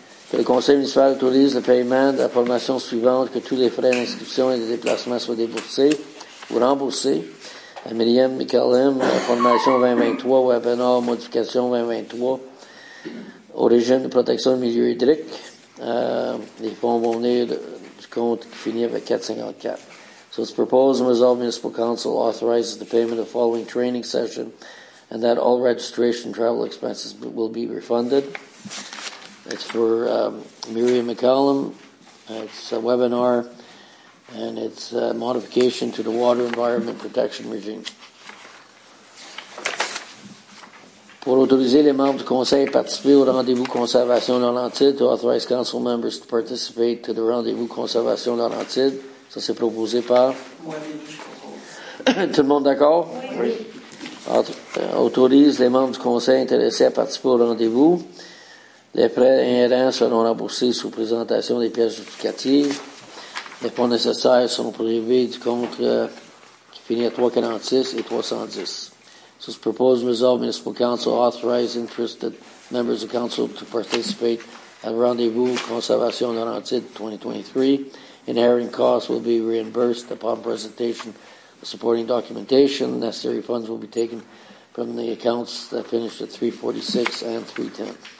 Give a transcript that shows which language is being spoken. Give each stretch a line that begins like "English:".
French: Que le conseil municipal autorise le paiement de la formation suivante, que tous les frais d'inscription et de déplacement soient déboursés ou remboursés. À Myriam Michalim, formation 2023, webinar modification 2023, au régime de protection du milieu hydrique. Les fonds vont venir du compte qui finit avec 454.
English: So it's proposed and resolved municipal council authorizes the payment of the following training session and that all registration travel expenses will be refunded. It's for Miriam McCollum. It's a webinar, and it's a modification to the water environment protection regime.
French: Pour autoriser les membres du conseil à participer au rendez-vous conservation Laurentides,
English: to authorize council members to participate to the rendez-vous conservation Laurentides,
French: ça c'est proposé par. Tout le monde d'accord? Oui. Autorise les membres du conseil intéressés à participer au rendez-vous. Les prêts inhérents seront remboursés sous présentation des pièces justificatives. Les fonds nécessaires sont prélevés du compte qui finit à 346 et 310.
English: So it's proposed and resolved municipal council authorize interested members of council to participate at rendezvous conservation de Laurentides 2023. Inherent costs will be reimbursed upon presentation of supporting documentation. Necessary funds will be taken from the accounts that finished at 346 and 310.